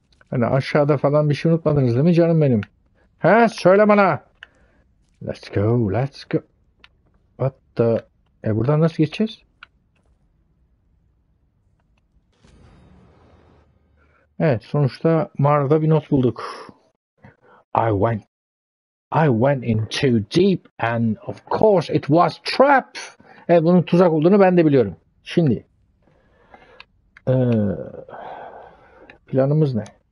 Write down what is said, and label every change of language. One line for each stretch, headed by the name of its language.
Turkish: Hani aşağıda falan bir şey unutmadınız değil mi canım benim? He söyle bana.
English: Let's go. Let's go. What the...
Turkish: buradan nasıl geçeceğiz? Evet, sonuçta mağarada bir not bulduk.
English: I went in too deep and of course it was trap.
Turkish: Evet, bunun tuzak olduğunu ben de biliyorum. Şimdi planımız ne?